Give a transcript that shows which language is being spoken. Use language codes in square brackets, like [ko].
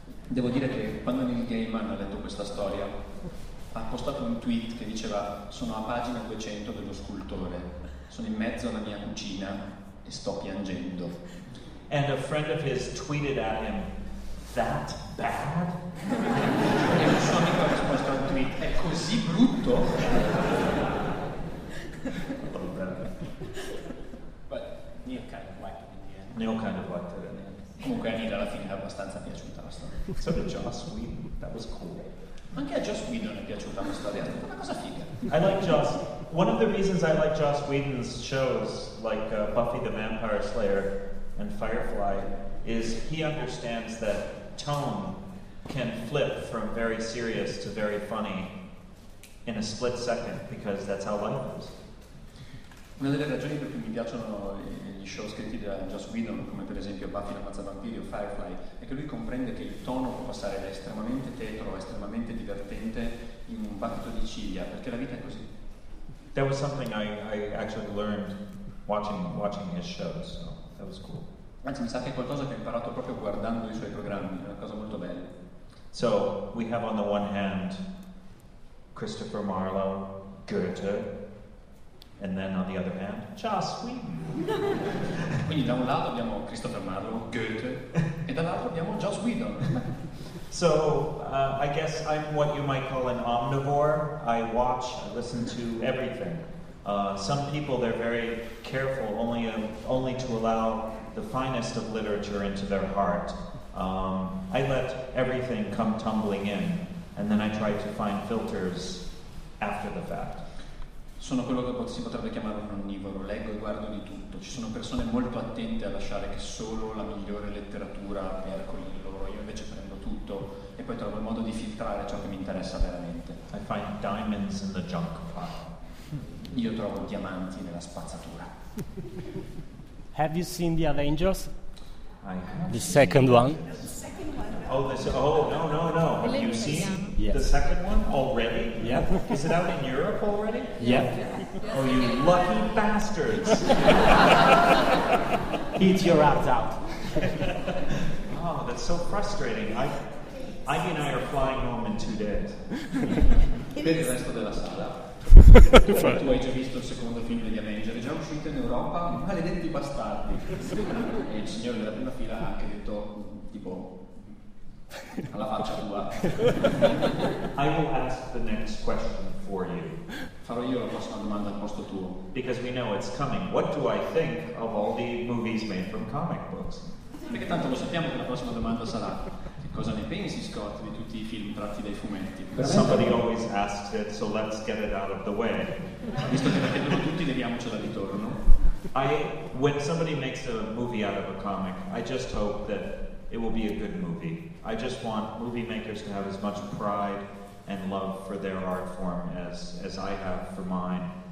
[it] Devo dire che quando Neil Gaiman ha letto questa storia, ha postato un tweet che diceva: sono a pagina 200 dello scultore, sono in mezzo alla mia cucina e sto piangendo. [en] And a friend of his tweeted at him, that bad? [it] E un suo amico ha risposto a un tweet, è così brutto? [en] Neil kind of liked it in the end. [it] Comunque a Neil alla fine è abbastanza piaciuta la storia. [en] So did Joss Whedon. That was cool. [it] Anche a Joss Whedon è piaciuta la storia. È una cosa figa. [en] I like Joss. One of the reasons I like Joss Whedon's shows, like Buffy the Vampire Slayer and Firefly, is he understands that tone can flip from very serious to very funny in a split second, because that's how life is. [it] Una delle ragioni per cui mi piacciono gli show scritti da Joss Whedon, come per esempio Buffy la mazza vampiri o Firefly, è che lui comprende che il tono può passare da estremamente tetro a estremamente divertente in un battito di ciglia, perché la vita è così. [en] That was something I actually learned watching his shows, so that was cool. [it] Anzi, mi sa che è qualcosa che ho imparato proprio guardando i suoi programmi, è una cosa molto bella. [en] So, we have on the one hand Christopher Marlowe, Goethe, and then on the other hand, Joss Whedon. [it] Quindi da un lato abbiamo Christopher Marlowe, Goethe, e dall'altro abbiamo Joss Whedon. [en] So, I guess I'm what you might call an omnivore. I watch, I listen to everything. Some people, they're very careful only to allow the finest of literature into their heart. I let everything come tumbling in, and then I try to find filters after the fact. [it] Sono quello che si potrebbe chiamare un onnivoro, leggo e guardo di tutto. Ci sono persone molto attente a lasciare che solo la migliore letteratura percoli di loro. Io invece prendo tutto e poi trovo il modo di filtrare ciò che mi interessa veramente. [en] I find diamonds in the junk pile. [it] Io trovo diamanti nella spazzatura. [en] Have you seen The Avengers? The second one? Oh, no. Have you seen the second one already? Yeah. Is it out in Europe already? Yeah. Oh, you lucky bastards. Eat your abs out. Oh, that's so frustrating. Ivy and I are flying home in 2 days. [it] Vedi il resto della sala. Tu hai già visto il secondo film degli Avengers, già uscito in Europa, maledetti bastardi. E il signore della prima fila ha anche detto, tipo, alla faccia tua. [en] I will ask the next question for you. [it] Farò io la prossima domanda al posto tuo. [en] Because we know it's coming. What do I think of all the movies made from comic books? [it] Perché tanto lo sappiamo che la prossima domanda sarà, cosa ne pensi, Scott, di tutti i film tratti dai fumetti? [en] Somebody always asks it, so let's get it out of the way. [it] Visto che la chiedono tutti, leviamocela di torno. [en] When somebody makes a movie out of a comic, I just hope that it will be a good movie. I just want movie makers to have as much pride and love for their art form as I have for mine.